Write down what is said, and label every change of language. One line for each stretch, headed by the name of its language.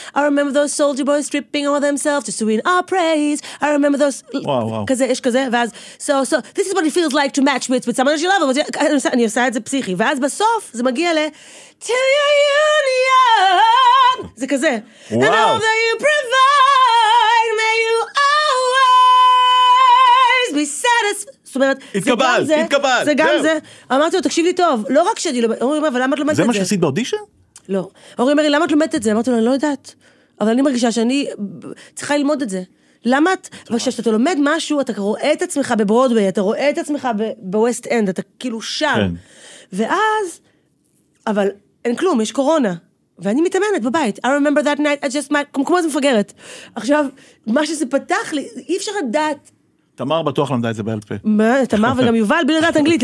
English: I remember those soldier boys stripping all themselves just to win our praise. I remember those... וואו.
Hebrew: כזה, יש כזה, ואז,
English: so, this is what it feels like to match with, someone else you love,
Hebrew: אני עושה את זה פסיכי, ואז בסוף, זה מגיע ל...
English: To your union!
Hebrew: זה כזה. וואו.
English: And all that you provide, may you always be satisfied.
Hebrew: זאת אומרת, התקבל, זה גם התקבל, זה, התקבל, זה גם זה. אמרתי לו, תקשיב לי טוב, לא רק שאני לומד, אורי אומר, אבל למה את לומדת את זה? זה מה שעשית באודישן? לא. אורי אומר, למה את לומדת את זה? אמרתי לו, אני לא יודעת. אבל אני מרגישה שאני צריכה ללמוד את זה. למה את, וכשאתה לומד משהו, אתה רואה את עצמך בברודווי, אתה רואה את עצמך בווסט אנד, אתה כאילו שם. כן. ואז, אבל אין כלום, יש קורונה. ואני מתאמנת בבית.
English: I remember that night, I just,
Hebrew: כמו זה מפגרת. עכשיו, מה שזה פתח לי, אי אפשר לדעת. תמר בטוח למדה את זה בעל פה. מה? תמר וגם יובל, בלי לדעת אנגלית.